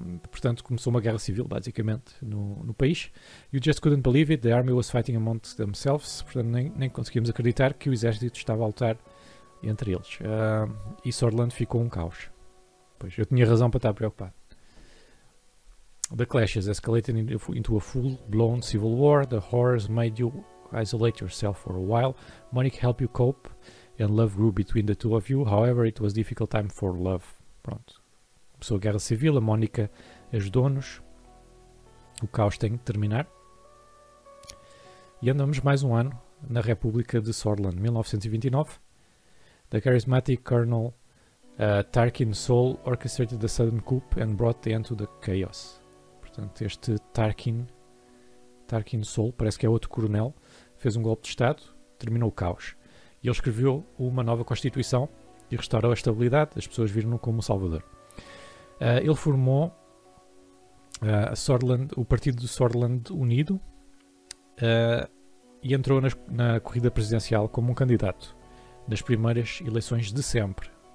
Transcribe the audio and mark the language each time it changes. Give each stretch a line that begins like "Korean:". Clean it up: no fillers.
Portuguese: Portanto, começou uma guerra civil, basicamente, no país.
English: You just couldn't believe it, the army was fighting among themselves.
Portuguese: Portanto, nem conseguimos acreditar que o exército estava a lutar entre eles. E Sordland ficou um caos. Pois, eu tinha razão para estar preocupado.
English: The clashes escalated into a full-blown civil war. The horrors made you isolate yourself for a while. Money help you cope. And love grew between the two of you. However, it was a difficult time for love. Pronto.
Portuguese: Começou a guerra civil, a Mónica ajudou-nos. O caos tem que terminar. E andamos mais um ano na República de Sordland, 1929. The charismatic Colonel Tarkin Soule orchestrated the sudden coup and brought the end to the chaos. Portanto, este Tarkin Soule, parece que é outro coronel, fez um golpe de Estado, terminou o caos. E ele escreveu uma nova Constituição e restaurou a estabilidade. As pessoas viram-no como um salvador. Ele formou o Partido do Sordland Unido, e entrou na corrida presidencial como um candidato nas primeiras eleições de sempre.